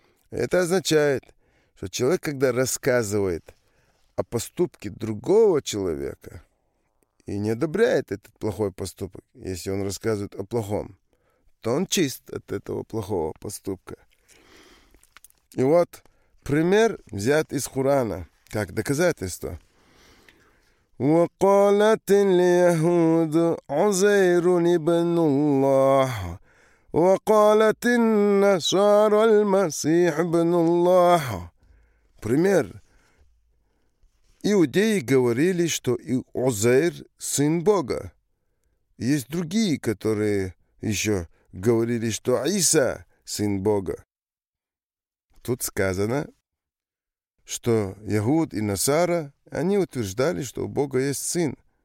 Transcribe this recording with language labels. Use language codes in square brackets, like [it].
[ru] Это означает, что человек, когда рассказывает о поступке другого человека и не одобряет этот плохой поступок, если он рассказывает о плохом, то он чист от этого плохого поступка. И вот пример взят из Корана как доказательство. [ar] وقالت اليهود عزير ابن الله وقالت النصارى المسيح ابن الله. [ru] Пример. Иудеи говорили, что Узейр сын Бога. Есть другие, которые еще говорили, что Иса сын Бога. Тут сказано, что Яхуд и Насара, они утверждали, что у Бога есть сын.